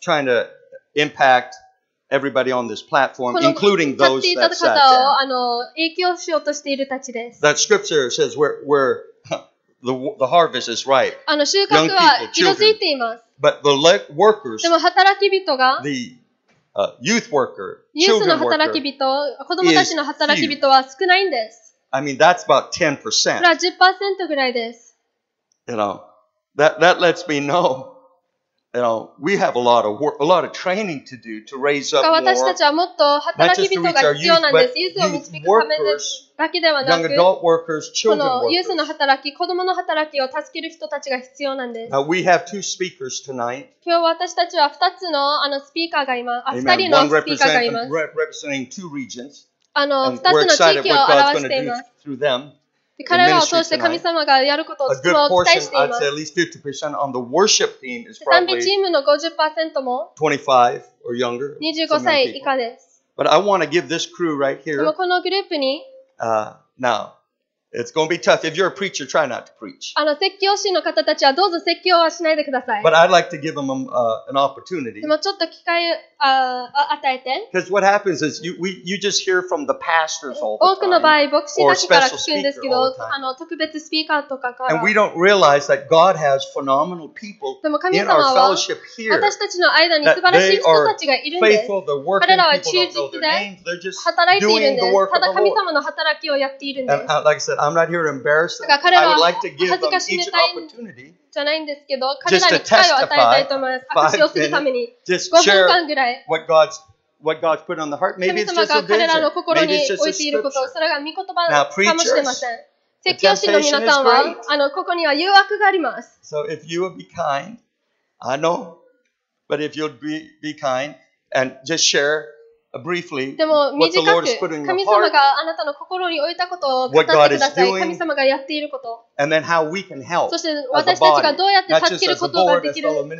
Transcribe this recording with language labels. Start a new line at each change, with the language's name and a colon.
English: Trying to impact everybody on this platform, including those that sat down.
Japanese: この方を影響しようとしているたちです。
English: That scripture says we're the harvest is ripe.
Japanese: あの収穫は色づいています。
English: But the workers,
Japanese: でも働き人が、
English: Youth worker, children worker is few. I mean, that's about 10%.
Japanese: これは 10% ぐらいです。
English: You know, that lets me know, you know, we have a lot of training to do to raise up more.
Japanese: 私たちはもっと働き人が必要なんです。ユースを導くためです。だけではなく、
English: young adult workers, children
Japanese: このユースの働き、子供の働きを助ける人たちが必要なんです。
English: Now, we have two speakers tonight.
Japanese: 今日私たちは2つの、スピーカーがいます。2人のスピーカーがいます。
English: representing two regions.
Japanese: 2つの地域を表しています。彼らを通して神様がやることをとても期待しています。
English: Portion, at least 50% on the worship team is probably
Japanese: 賛美チームの 50% も
English: 25 or younger,
Japanese: 25歳以下です。
English: But I want to give this crew right here,
Japanese: でもこのグループに、
English: Now, it's going to be tough. If you're a preacher, try not to preach.
Japanese: 説教師の方たちはどうぞ説教はしないでください。
English: But I'd like to give them an opportunity.
Japanese: でもちょっと機会を与えて。
English: Because what happens is you just hear from the pastors all the
Japanese: time. 多くの場合、牧師だけから聞くんですけど、特別スピーカーとかから。
English: And we don't realize that God has phenomenal people in our fellowship here.
Japanese: 私たちの間に素晴らしい人たちがいるんです。彼らは忠実で、働いているんです。ただ神様の働きをやっているんです。
English: Like I said, I'm not here to embarrass them. I would like to give them each opportunity just to testify 5 minutes, just share what God's put on the heart. Maybe it's just a vision. Maybe it's just a scripture. Now, preachers, the temptation is great.
Japanese: ここには誘惑があります。
English: So if you would be kind, I know, but if you'd be kind and just share briefly,
Japanese: でも短く
English: what the Lord is putting
Japanese: 神様があなたの心に置いたことを語ってください。神様がやっていること。
English: And then how we can help
Japanese: そして私たちがどうやって助けることができるか。